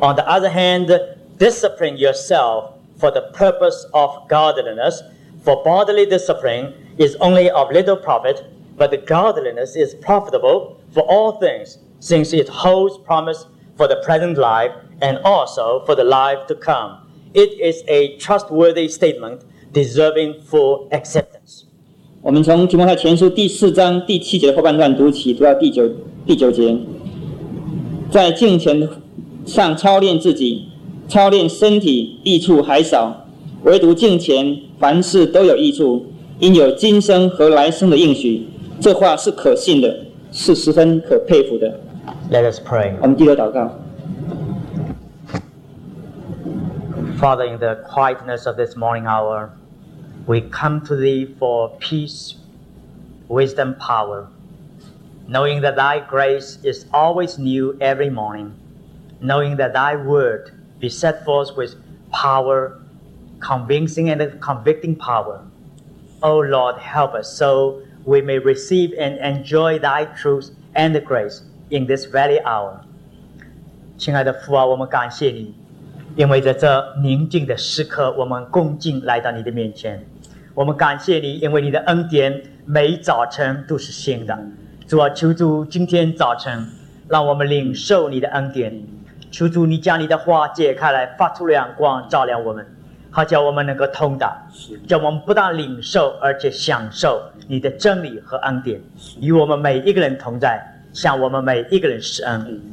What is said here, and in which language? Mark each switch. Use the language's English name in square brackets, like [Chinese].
[English] On the other hand, discipline yourself for the purpose of godliness, for bodily discipline is only of little profit, but godliness is profitable for all things, since it holds promise for the present life,and also for the life to come. It is a trustworthy statement deserving full acceptance. [Chinese] 我们从提摩太前书第四章第七节的后半段读起，读到第九节。在敬虔上操练自己，操练身体益处还少，唯独敬虔凡事都有益处，因有今生和来生的应许。这话是可信的，是十分可佩服的。 [English] Let us pray. [Chinese] 我们低头祷告。 [English] Father, in the quietness of this morning hour, we come to Thee for peace, wisdom, power, knowing that Thy grace is always new every morning, knowing that Thy word be set forth with power, convincing and convicting power. O Lord, help us so we may receive and enjoy Thy truth and the grace in this very hour. [Chinese] 亲爱的父啊，我们感谢你。因为在这宁静的时刻，我们恭敬来到你的面前，我们感谢你，因为你的恩典每早晨都是新的。主啊，求主今天早晨让我们领受你的恩典，求主你将你的话解开来，发出亮光照亮我们，好叫我们能够通达，叫我们不但领受，而且享受你的真理和恩典，与我们每一个人同在，向我们每一个人施恩。